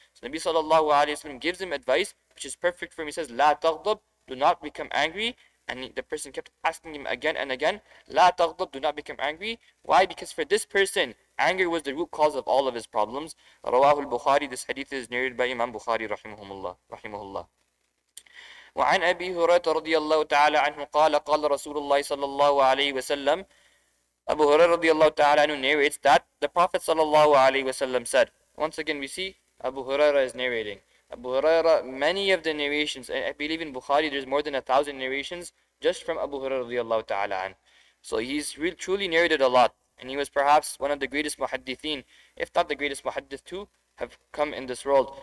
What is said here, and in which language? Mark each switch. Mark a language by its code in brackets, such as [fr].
[en] So Nabi sallallahu alayhi wa sallam gives him advice, which is perfect for him. He says, [ar] لا تغضب, [en] do not become angry. And the person kept asking him again and again, [ar] لا تغضب, [en] do not become angry. Why? Because for this person, anger was the root cause of all of his problems. [ar] رواه البخاري. [en] This hadith is narrated by Imam Bukhari [ar] رحمه الله. وعن أبي هريرة رضي الله تعالى عنه قال قال رسول الله صلى الله عليه وسلم. [en] Abu Hurairah [ar] رضي الله تعالى عنه [en] narrates that the Prophet [ar] صلى الله عليه وسلم [en] said. Once again, we see Abu Hurairah is narrating. Abu Hurairah, many of the narrations, I believe in Bukhari, there's more than 1,000 narrations just from Abu Hurairah [ar] رضي الله تعالى عنه. [en] So he's really truly narrated a lot. And he was perhaps one of the greatest muhaddithin, if not the greatest muhaddith too, have come in this world.